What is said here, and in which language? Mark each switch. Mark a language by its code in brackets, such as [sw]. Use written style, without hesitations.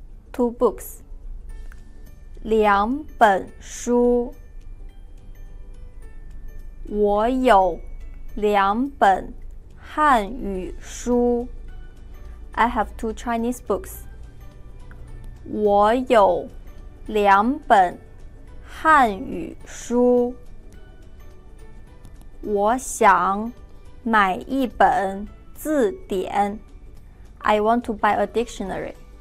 [en] ，two books。 [zh] 两本书，我有两本汉语书 [en] ，I have two Chinese books。 [zh] 我有两本汉语书，我想买一本字典。 [en] I want to buy a dictionary.